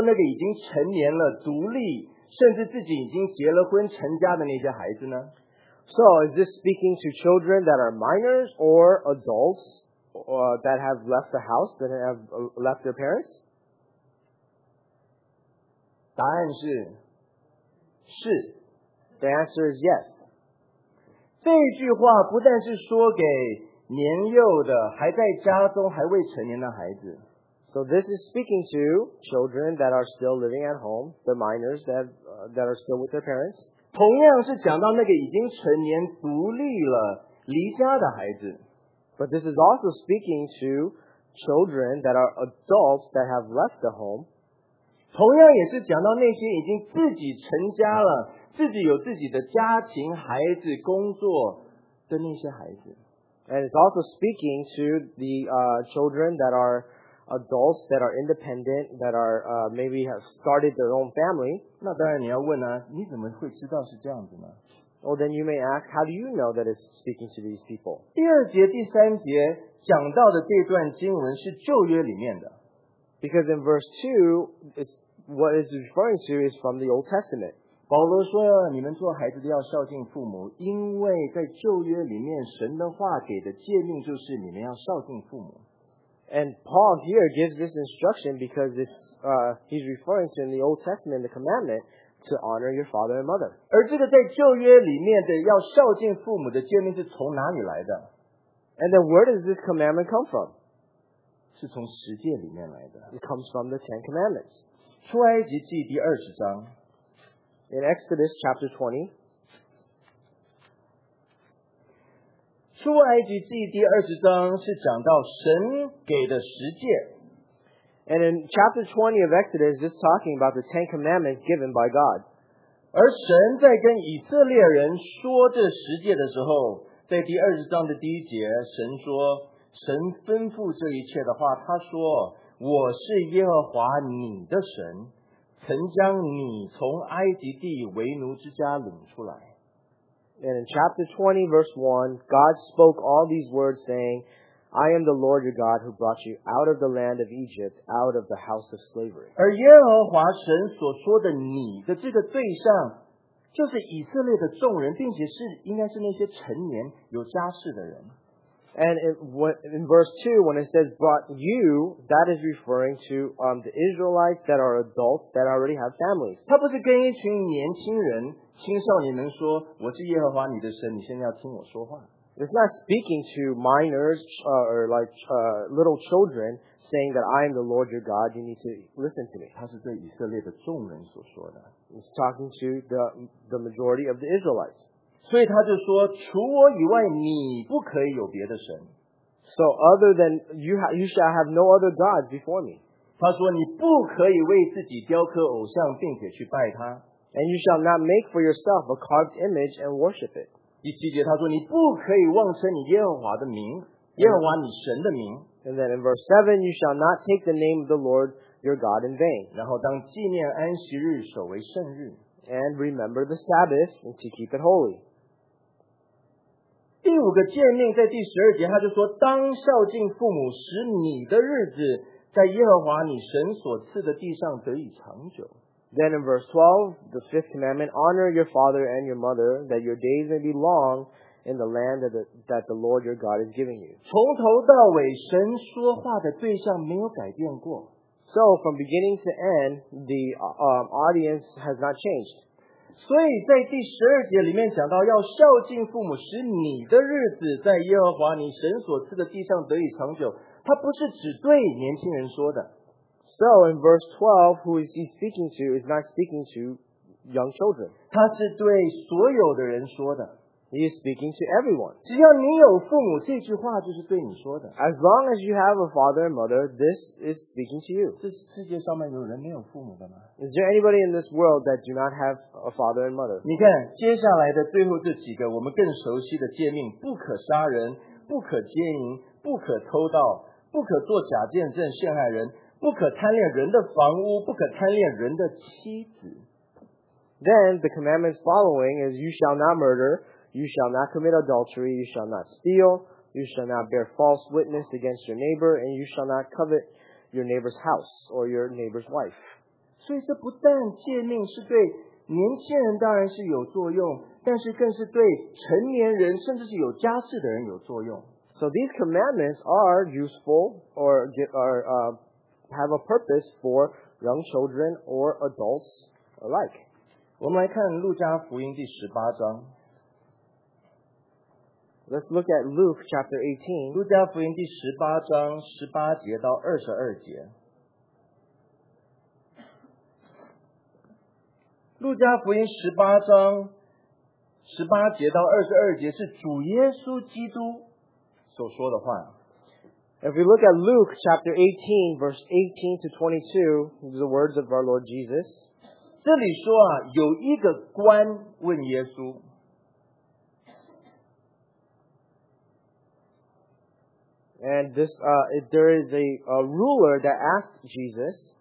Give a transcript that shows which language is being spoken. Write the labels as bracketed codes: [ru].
[zh] 那这个是说给未成年还住在家中年轻的孩子呢，还是说那个已经成年了独立？甚至自己已经结了婚成家的那些孩子呢? [en] So is this speaking to children that are minors or adults or that have left the house, that have left their parents? [zh] 答案是, [en] the answer is yes. [zh] 这句话不但是说给年幼的还在家中还未成年的孩子, [en] So this is speaking to children that are still living at home, the minors that are still with their parents. [zh] 同样是讲到那个已经成年独立了离家的孩子。 [en] But this is also speaking to children that are adults that have left the home. [zh] 同样也是讲到那些已经自己成家了，自己有自己的家庭、孩子、工作的那些孩子。 [en] And it's also speaking to the children that are adults, that are independent, that are maybe have started their own family. [zh] 那当然你要问啊，你怎么会知道是这样子呢？ [en] Well, then you may ask, how do you know that it's speaking to these people? [zh] 第二节、第三节讲到的这段经文是旧约里面的。 [en] Because in verse 2, what it's referring to is from the Old Testament. [zh] 保罗说，你们做孩子的要孝敬父母，因为在旧约里面，神的话给的诫命就是你们要孝敬父母。 [en] And Paul here gives this instruction because he's referring to in the Old Testament the commandment to honor your father and mother. [zh] 而这个在旧约里面的要孝敬父母的诫命是从哪里来的？ [en] And then where does this commandment come from? [zh] 是从十诫里面来的。 [en] It comes from the Ten Commandments. [zh] 出埃及记第二十章。 [en] In Exodus chapter 20, [zh] 出埃及记第二十章是讲到神给的十诫。 [en] And in chapter 20 of Exodus, it's talking about the Ten Commandments given by God. [zh] 而神在跟以色列人说这十诫的时候，在第二十章的第一节，神说，神吩咐这一切的话，他说，我是耶和华你的神，曾将你从埃及地为奴之家领出来。 [en] And in chapter 20, verse 1, God spoke all these words, saying, I am the Lord your God who brought you out of the land of Egypt, out of the house of slavery. [zh] 而耶和华神所说的你的这个对象，就是以色列的众人，并且是应该是那些成年有家室的人。 [en] And in verse 2, when it says brought you, that is referring to the Israelites that are adults that already have families. [zh] 他不是跟一群年轻人、青少年们说，我是耶和华你的神，你现在要听我说话。 [en] It's not speaking to minors or like little children saying that I am the Lord your God, you need to listen to me. [zh] 他是对以色列的众人所说的。 [en] It's talking to the majority of the Israelites. [zh] 所以他就说，除我以外，你不可以有别的神。 [en] So other than you shall have no other gods before me. [zh] 他说，你不可以为自己雕刻偶像，并且去拜他。 [en] And you shall not make for yourself a carved image and worship it. [zh] 第七节他说，你不可以妄称你耶和华的名，耶和华你神的名。 [en] And then in verse 7, you shall not take the name of the Lord your God in vain. [zh] 然后当纪念安息日，守为圣日。 [en] And remember the Sabbath and to keep it holy. [zh] 第五个诫命在第十二节，他就说，当孝敬父母，使你的日子在耶和华你神所赐的地上得以长久。 [en] Then in verse 12, the fifth commandment, honor your father and your mother, that your days may be long in the land that the Lord your God is giving you. [zh] 从头到尾，神说话的对象没有改变过。 [en] So from beginning to end, the audience has not changed. [zh] 所以在第十二节里面讲到要孝敬父母，使你的日子在耶和华你神所赐的地上得以长久。他不是只对年轻人说的。 [en] So in verse 12, who is he speaking to is not speaking to young children. [zh] 他是对所有的人说的。 [en] He is speaking to everyone. [zh] 只要你有父母，这句话就是对你说的。 [en] As long as you have a father and mother, this is speaking to you. [zh] 这世界上面有人没有父母的吗？ [en] Is there anybody in this world that do not have a father and mother? [zh] 你看，接下来的最后这几个我们更熟悉的诫命，不可杀人，不可奸淫，不可偷盗，不可做假见证陷害人，不可贪恋人的房屋，不可贪恋人的妻子。 [en] Then the commandments following is you shall not murder, you shall not commit adultery, you shall not steal, you shall not bear false witness against your neighbor, and you shall not covet your neighbor's house or your neighbor's wife. [zh] 所以这不但诫命是对年轻人当然是有作用，但是更是对成年人甚至是有家室的人有作用。 [en] So these commandments are useful or have a purpose for young children or adults alike. [zh] 我们来看路加福音第十八章。 [en] Let's look at Luke chapter 18. [zh] 路加福音第十八章十八节到二十二节。路加福音十八章十八节到二十二节是主耶稣基督所说的话。 [en] If we look at Luke chapter 18, verse 18 to 22, these are the words of our Lord Jesus. [zh] 这里说啊, 有一个官问耶稣, 这是一个做官的人。 [en] And there is a ruler that asked Jesus.